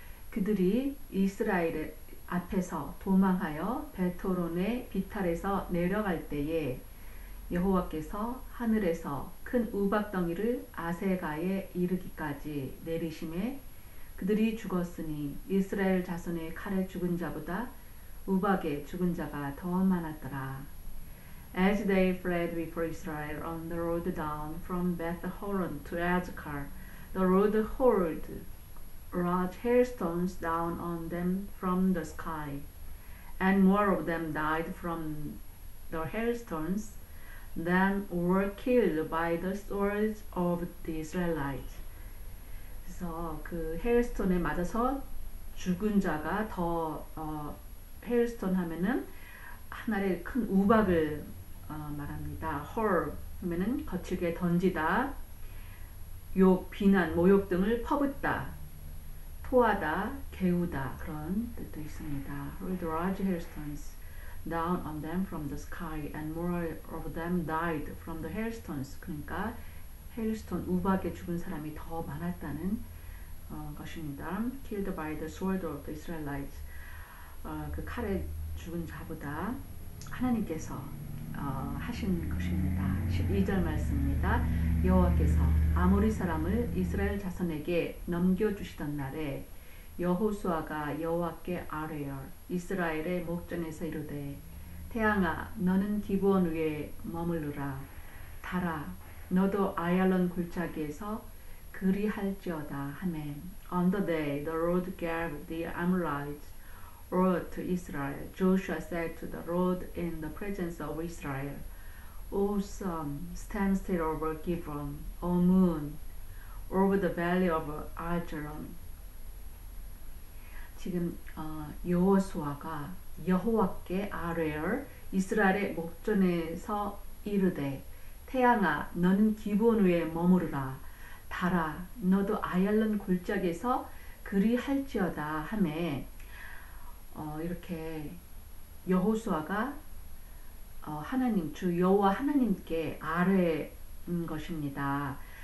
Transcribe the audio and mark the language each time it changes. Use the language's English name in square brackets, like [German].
[Korean] 그들이 이스라엘 앞에서 도망하여 베토론의 비탈에서 내려갈 때에 여호와께서 하늘에서 큰 우박덩이를 아세가에 이르기까지 내리심에 그들이 죽었으니 이스라엘 자손의 칼에 죽은 자보다 우박에 죽은 자가 더 많았더라. [English] As they fled before Israel on the road down from Beth-horon to Azkar, the road hurled large hailstones down on them from the sky, and more of them died from the hailstones than were killed by the swords of the Israelites. [Korean] 그래서 그 헤일스톤에 맞아서 죽은 자가 더 헤일스톤 하면은 하나의 큰 우박을 말합니다. Hurl 하면은 거칠게 던지다, 욕, 비난, 모욕 등을 퍼붓다, 토하다, 개우다 그런 뜻도 있습니다. [English] Hurled large hailstones down on them from the sky, and more of them died from the hailstones. [Korean] 그러니까 헤일스톤 우박에 죽은 사람이 더 많았다는 것입니다. [English] Killed by the sword of the Israelites. [Korean] 그 칼에 죽은 자보다 하나님께서 하신 것입니다. 12절 말씀입니다. 여호와께서 아모리 사람을 이스라엘 자손에게 넘겨주시던 날에 여호수아가 여호와께 아뢰어 이스라엘의 목전에서 이르되 태양아 너는 기브온 위에 머무르라 달아 너도 아얄론 골짜기에서 그리할지어다 하멘. [English] On the day the Lord gave the Amorites word to Israel, Joshua said to the Lord in the presence of Israel, O sun, stand still over Gibeon, O moon, over the valley of Ajalon. [Korean] 지금 여호수아가 여호와께 아뢰어 이스라엘의 목전에서 이르되 태양아 너는 기브온 위에 머무르라 달아 너도 아얄론 골짜기에서 그리할지어다 하매 이렇게 여호수아가 하나님 주 여호와 하나님께 아뢰는 것입니다.